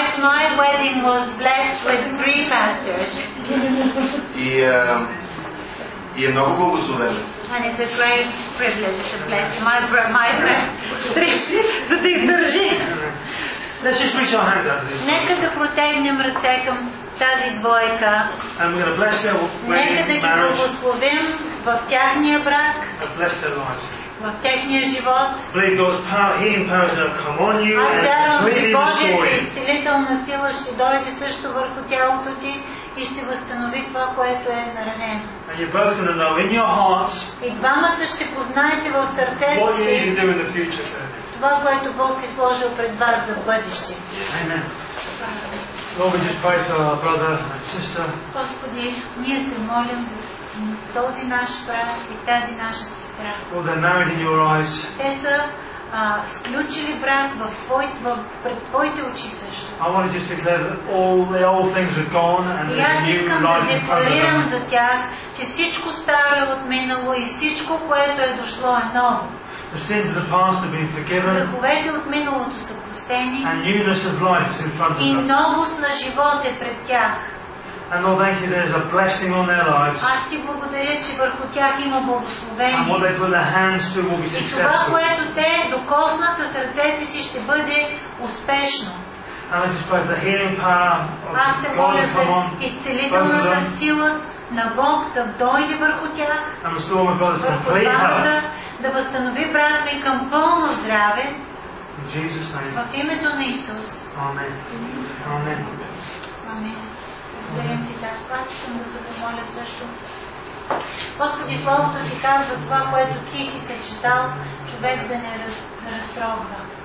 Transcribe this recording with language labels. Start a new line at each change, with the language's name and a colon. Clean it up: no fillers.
English: My wedding was blessed with three pastors.
Bulgarian: И е много благословено.
English: And it's a great privilege, it's a blessing. My friend,
Bulgarian: за да издържи.
English: Let's just reach our hands out to this.
Bulgarian: Нека да протегнем ръце към тази двойка.
English: And we're gonna bless their marriage.
Bulgarian: Нека да ги благословим в тяхния брак.
English: And bless their lives.
Bulgarian: В техния живот.
English: Believe God's power, healing power is going to come on you and completely destroy it.
Bulgarian: Изцелителна сила ще дойде също върху тялото ти и ще възстанови това, което е наранено.
English: And you're both going to know in your hearts.
Bulgarian: И двамата ще познаете в сърцето си.
English: What you need to do in the future.
Bulgarian: Това, което Бог е сложил пред вас за бъдеще.
English: Amen. Lord, we just pray for our brother and sister.
Bulgarian: Господи, ние се молим за този наш брат и тази наша сестра.
English: Well, they're married in your eyes.
Bulgarian: Те са включили брак в пред твоите очи също.
English: I want to just declare that all the old things are gone and the new life is coming.
Bulgarian: Я декларирам за тях, че всичко старо е отминало и всичко, което е дошло, е ново.
English: The sins of the past have been forgiven.
Bulgarian: Греховете от миналото са простени.
English: And newness of life is in front of them.
Bulgarian: И новост на живот е пред тях.
English: And Lord, thank you. There's a blessing on their lives.
Bulgarian: Аз ти благодаря, че върху тях има благословение.
English: And what they put their hands through will be successful.
Bulgarian: И това, което те докоснат със сърцето си, ще бъде успешно.
English: And I just pray the healing power of God to come on.
Bulgarian: Аз се моля за изцелителната сила на Бог да дойде върху тях.
English: And restore my brother's complete health.
Bulgarian: Да възстанови брат ми към пълно здраве.
English: In Jesus' name.
Bulgarian: В името на Исус.
English: Amen. Amen.
Bulgarian: Amen. Благодарим ти, Татко. Аз искам да се помоля също. Господи, Словото ти казва това, което ти си се читал, човек да не разтрогва.